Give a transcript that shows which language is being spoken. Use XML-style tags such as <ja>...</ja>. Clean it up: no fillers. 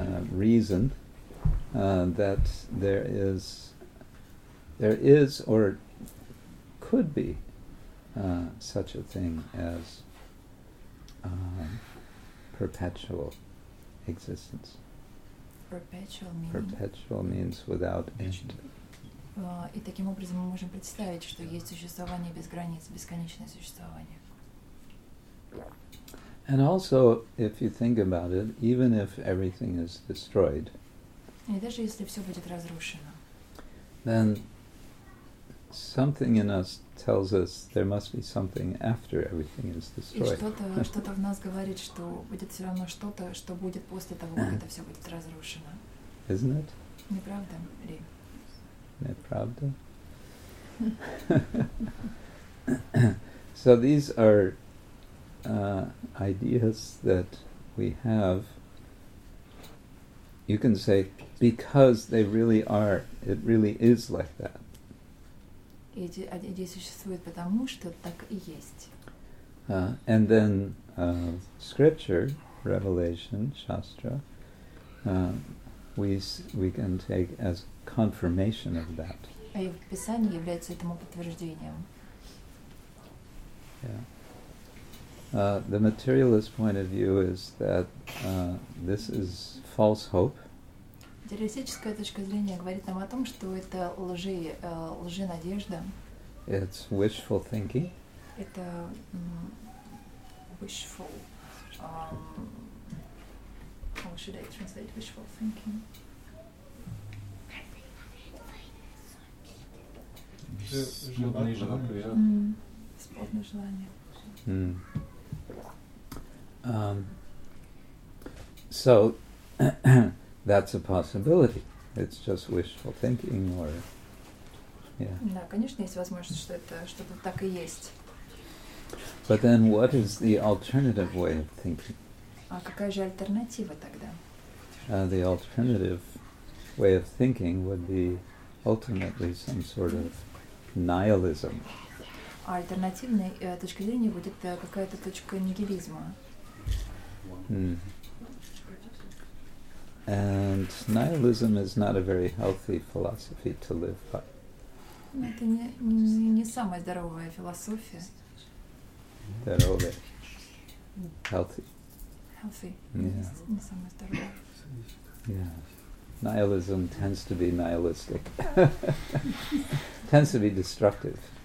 <en>reason that there is or could be such a thing as perpetual existence. Perpetual means without end.</en> <ru>И таким образом мы можем представить, что есть существование без границ, бесконечное существование.</ru> <en>And also, if you think about it, even if everything is destroyed,</en> <ru>и даже если все будет разрушено,</ru> <en>then something in us tells us there must be something after everything is destroyed.</en> <ru>И что-то в нас говорит, что будет все равно что-то, что будет после того, как это все будет разрушено.</ru> <en>Isn't it?</en> <ru>Неправда, Ри. Неправда.</ru> <en>So these are ideas that we have, you can say, because they really are, it really is like that.</en> <ru>Эти идеи существуют потому, что так и есть.</ru> <en>And then scripture, revelation, shastra, we can take as confirmation of that.</en> <ru>А и в Писании является этому подтверждением.</ru> <en>Yeah. The materialist point of view is that this is false hope.</en> <ru>Материалистическая точка зрения говорит нам о том, что это лжи, лжи надежда.</ru> <en>It's wishful thinking.</en> <ru>Это</ru> <en>wishful. How should I translate wishful thinking?</en> <ru>Смутные желания.</ru> <en>So that's a possibility. It's just wishful thinking, or yeah.</en> <ru>Да, конечно, есть возможность, что это что-то так и есть.</ru> <en>But then, what is the alternative way of thinking?</en> <ru>А какая же альтернатива тогда?</ru> <en>The alternative way of thinking would be ultimately some sort of nihilism.</en> <ru>А альтернативной точкой зрения будет какая-то точка нигилизма.</ru> <en>And nihilism is not a very healthy philosophy to live by.</en> <ru>Это не самая здоровая философия. Здоровая.</ru> <en>Healthy. Healthy. Yeah.</en> <ru>Не самая здоровая.</ru> <en>Yeah. Nihilism tends to be nihilistic. Tends to be destructive.</en>